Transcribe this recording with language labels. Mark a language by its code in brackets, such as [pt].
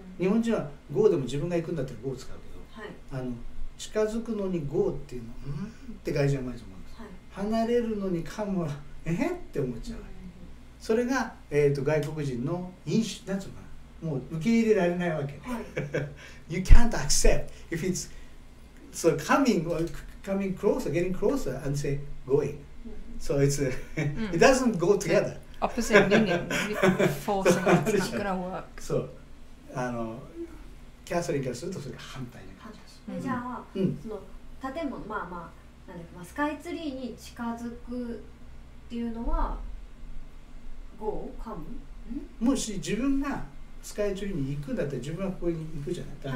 [ja] 日本人はゴーでも自分が行くんだったらゴー使うけど、はい、あの近づくのにゴーっていうのうんって外人はうまいと思うんです、はい、離れるのにカムはえへって思っちゃう、うんうん、それが、外国人の印象なんていうのかな、もう受け入れられないわけ、はい、 [en] You can't accept if it's so coming, coming closer, getting closer and say going、うん、So it's, it doesn't go together、うん、Opposite meaning, forcing it, it's not gonna work. [ja] そう、あのキャサリンからするとそれが反対、じゃあ、うん、その建物、まあまあ、なんだっけ、スカイツリーに近づくっていうのは、ゴー、カム？もし自分がスカイツリーに行くんだったら、自分はここに行くじゃない、